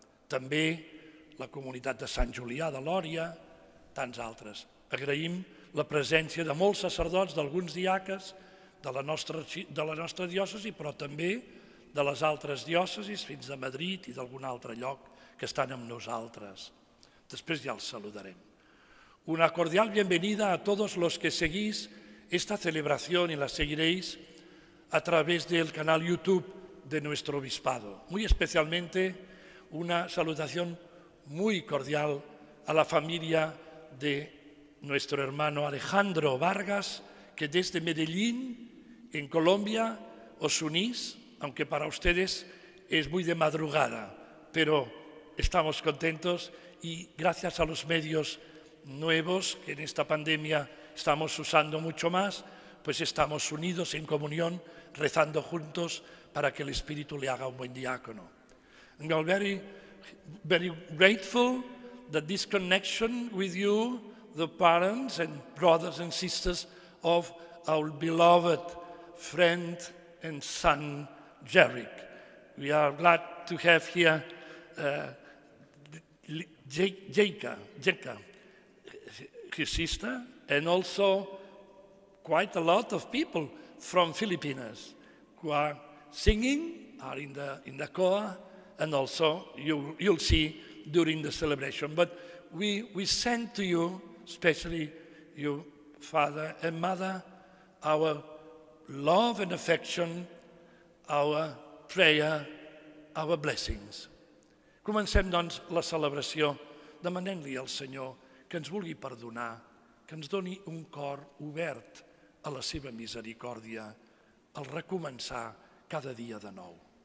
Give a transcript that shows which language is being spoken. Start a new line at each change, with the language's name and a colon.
Catalan: També la comunitat de Sant Julià de Lòria, tants altres. Agraïm la presència de molts sacerdots, d'alguns diaques de la nostra diòcesi, però també de les altres diòcesis fins a Madrid i d'algun altre lloc que estan amb nosaltres. Després ja els saludarem.
Spanish: Una cordial bienvenida a todos los que seguís esta celebración y la seguiréis a través del canal YouTube de nuestro obispado. Muy especialmente una salutación muy cordial a la familia de nuestro hermano Alejandro Vargas, que desde Medellín, en Colombia, os unís, aunque para ustedes es muy de madrugada, pero estamos contentos y gracias a los medios nuevos que en esta pandemia estamos usando mucho más, pues estamos unidos en comunión, rezando juntos para que el Espíritu le haga un buen diácono.
English: I'm very, very grateful that this connection with you, the parents and brothers and sisters of our beloved friend and son, Gerric. We are glad to have here Jeka, his sister, and also quite a lot of people from Filipinas who are singing, are in the choir, and also you'll see during the celebration. But we send to you, especially you, father and mother, our love and affection, our prayer, our blessings.
Catalan: Comencem, doncs, la celebració demanant-li al Senyor que ens vulgui perdonar, que ens doni un cor obert a la seva misericòrdia, al recomençar cada dia de nou.